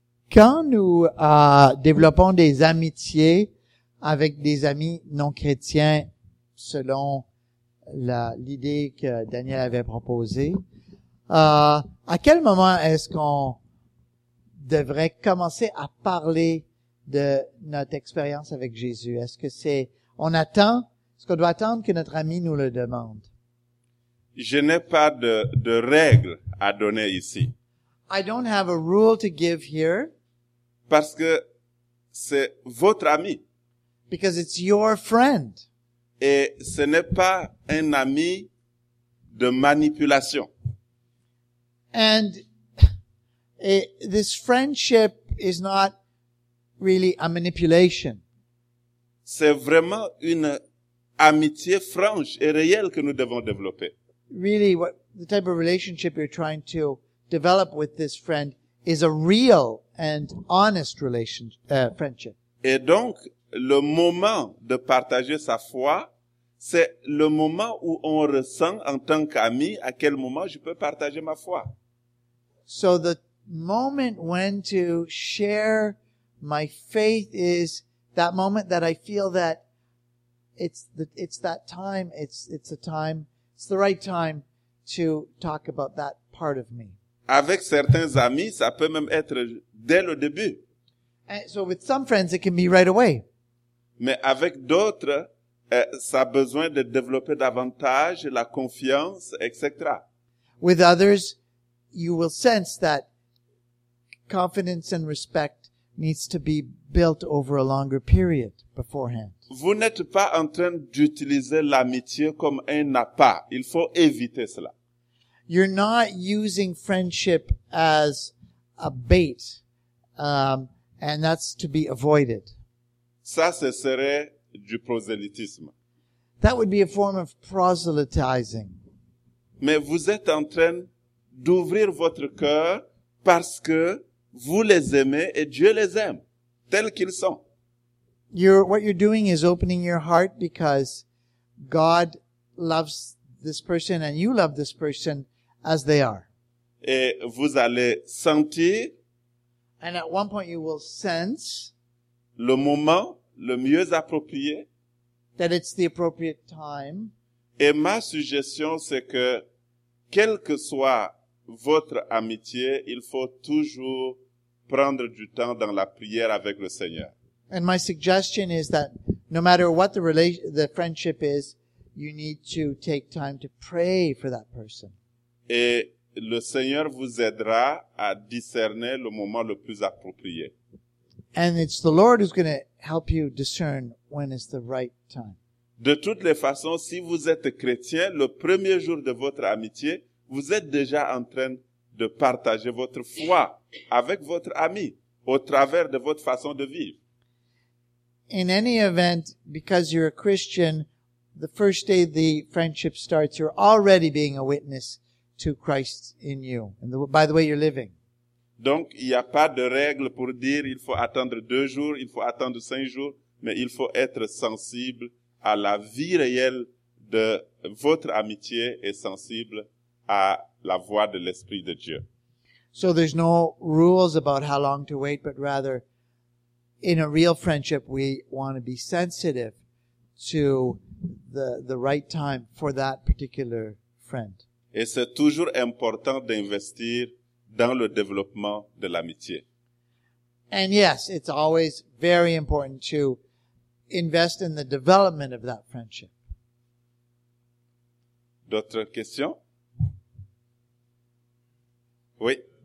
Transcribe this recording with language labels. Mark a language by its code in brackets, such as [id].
[fr] Quand nous développons des amitiés avec des amis non chrétiens, selon l'idée que Daniel avait proposée, à quel moment est-ce qu'on devrait commencer à parler de notre expérience avec Jésus? Est-ce que c'est on attend? Est-ce qu'on doit attendre que notre ami nous le demande? Je n'ai pas de règles à donner ici. [en] I don't have a rule to give here. [fr] Parce que c'est votre ami. [en] Because it's your friend. [fr] Et ce n'est pas un ami de manipulation. [en] And this friendship is not really a manipulation. [fr] C'est vraiment une amitié franche et réelle que nous devons développer. [en] Really, the type of relationship you're trying to develop with this friend is a real and honest friendship. [fr] Et donc, le moment de partager sa foi, c'est le moment où on ressent en tant qu'ami à quel moment je peux partager ma foi. [en] So the moment when to share my faith is that moment that I feel that it's the right time to talk about that part of me. [fr] Avec certains amis, ça peut même être dès le début. [en] And so with some friends, it can be right away. [fr] Mais avec d'autres, ça a besoin de développer davantage la confiance, etc. [en] With others, you will sense that confidence and respect needs to be built over a longer period beforehand. [fr] Vous n'êtes pas en train d'utiliser l'amitié comme un appât. Il faut éviter cela. [en] you're not using friendship as a bait, and that's to be avoided. [fr] Ça, ce serait du prosélytisme. [en] That would be a form of proselytizing. [fr] Mais vous êtes en train d'ouvrir votre cœur parce que vous les aimez et Dieu les aime tels qu'ils sont. [en] What you're doing is opening your heart because God loves this person and you love this person as they are. [fr] Et vous allez sentir. [en] And at one point you will sense [fr] le moment le mieux approprié. [en] That it's the appropriate time. [fr] Et ma suggestion, c'est que quel que soit votre amitié, il faut toujours prendre du temps dans la prière avec le Seigneur. [en] And my suggestion is that no matter what the friendship is, you need to take time to pray for that person. [fr] Et le Seigneur vous aidera à discerner le moment le plus approprié. [en] And it's the Lord who's going to help you discern when is the right time. [fr] De toutes les façons, si vous êtes chrétien, le premier jour de votre amitié, vous êtes déjà en train de partager votre foi avec votre ami au travers de votre façon de vivre. [en] In any event, because you're a Christian, the first day the friendship starts, you're already being a witness to Christ in you and by the way you're living. [fr] Donc, il n'y a pas de règle pour dire il faut attendre 2 jours, il faut attendre 5 jours, mais il faut être sensible à la vie réelle de votre amitié et sensible à la voix de l'Esprit de Dieu. [en] So there's no rules about how long to wait, but rather, in a real friendship, we want to be sensitive to the right time for that particular friend. [fr] Et c'est toujours important d'investir dans le développement de l'amitié. [en] And yes, it's always very important to invest in the development of that friendship. [fr] D'autres questions? Oui.